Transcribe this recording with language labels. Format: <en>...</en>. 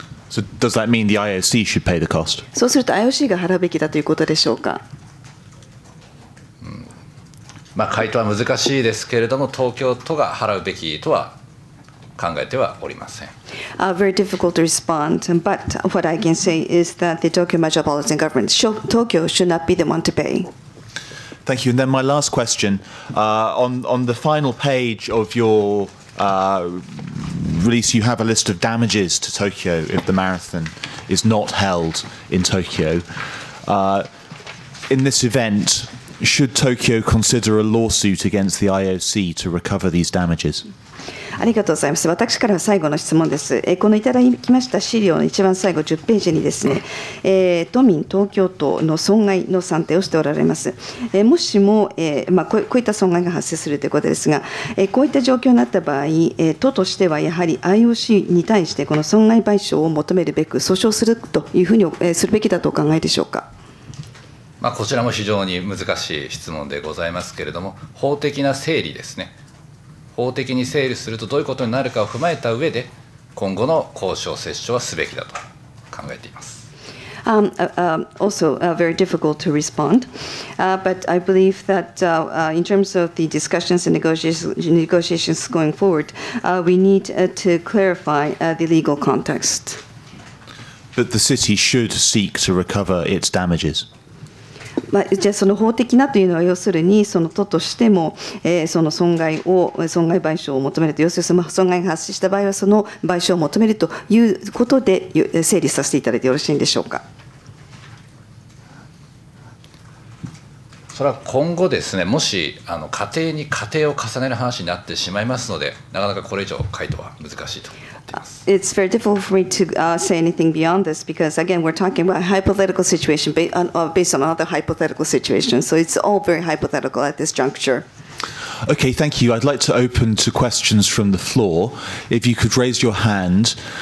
<en>So does that mean the IOC should pay the cost?</en> <ja>そうすると IOC が払うべきだということでしょうか。まあ回答は難しいですけれども、東京都が払うべきとは考えてはおりません。</ja> <en>Very difficult to respond, but what I can say is that the Tokyo Metropolitan Government, Tokyo, should not be the one to pay. Thank you. And then my last question, on the final page of your release, you have a list of damages to Tokyo if the marathon is not held in Tokyo. In this event, should Tokyo consider a lawsuit against the IOC to recover these damages?</en> <ja>ありがとうございます。私からは最後の質問です。このいただきました資料の一番最後10ページにですね、都民、東京都の損害の算定をしておられます。もしも、まあ、こういった損害が発生するということですが、こういった状況になった場合、都としてはやはり IOC に対してこの損害賠償を求めるべく訴訟するというふうにするべきだとお考えでしょうか。まあ、こちらも非常に難しい質問でございますけれども、法的な整理ですね。法的に整理するとどういうことになるかを踏まえた上で、今後の交渉、折衝はすべきだと考えています。</ja> <en>also very difficult to respond. But I believe that in terms of the discussions and negotiations going forward, we need to clarify the legal context. But the city should seek to recover its damages.</en> <ja>まあ、じゃあその法的なというのは要するにその都としてもその損害を損害賠償を求めると要するにその損害が発生した場合はその賠償を求めるということで整理させていただいてよろしいんでしょうか。それは今後ですね、もし仮定に仮定を重ねる話になってしまいますのでなかなかこれ以上回答は難しいと。</ja> <en>It's very difficult for me to say anything beyond this because, again, we're talking about a hypothetical situation based on another hypothetical situation. So it's all very hypothetical at this juncture. Okay, thank you. I'd like to open to questions from the floor. If you could raise your hand.</en>